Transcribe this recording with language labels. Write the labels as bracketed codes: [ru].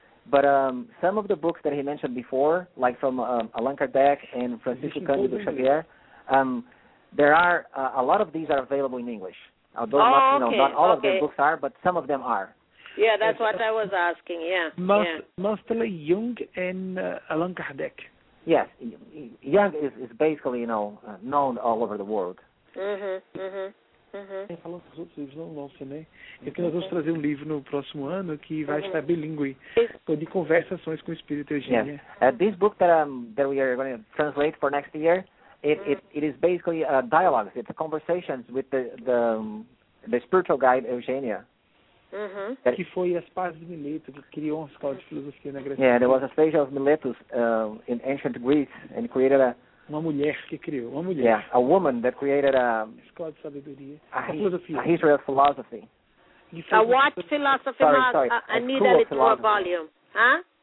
[en] But some of the books that he mentioned before, like from Allan Kardec and Francisco Cândido Xavier, there are a lot of these are available in English. Although not all of their books are, but some of them are. Yeah, that's what I was asking, yeah. Mostly Jung and Allan Kardec. Yes, Jung is basically, you know, known all over the world. Mm-hmm, [pt] mm-hmm, mm-hmm. Falando dos outros livros, não sei, né? É que nós vamos trazer livro no próximo ano que vai estar bilingüe, de conversações com o Espírito Eugênio. [en] Yes, this book that that we are going to translate for next year, it is basically a dialogue. It's a conversations with the spiritual guide Eugênia. Uh-huh. [pt] Que foi as Pazes de Mileto que criou uma escola de filosofia na Grécia. [en] Yeah, there was a Aspasia of Miletus in ancient Greece and created a [pt] uma mulher. [en] Yeah, a woman that created a [pt] escola de sabedoria. [en] A history of philosophy. A what philosophy? Sorry. I need a little more volume, huh?